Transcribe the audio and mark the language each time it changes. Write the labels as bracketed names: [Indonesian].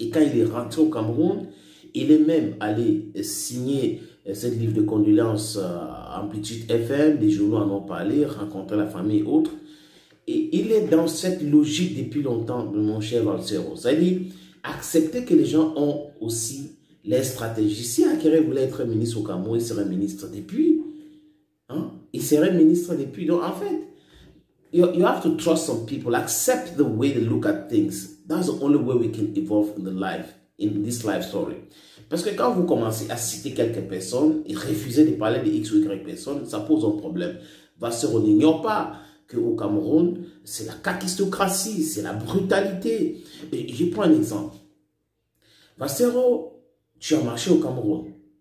[French] Et quand il est rentré au Cameroun, il est même allé signer cette livre de condoléances en Petite FM, des journaux en ont parlé, rencontrer la famille et autres. Et il est dans cette logique depuis longtemps, mon cher Valcero. C'est-à-dire, accepter que les gens ont aussi leur stratégie. Si Akere voulait être ministre au Cameroun, il serait ministre depuis. Hein? Il serait ministre depuis. Donc, en fait, [English] you have to trust some people. Accept the way they look at things. That's the only way we can evolve in the life, in this life story. [French] Parce que quand vous commencez à citer quelques personnes et refusez de parler de X ou Y personnes, ça pose un problème. Valcero n'ignore pas qu'au Cameroun, c'est la caquistocratie, c'est la brutalité. Et je prends un exemple. Valcero, tu as marché au Cameroun.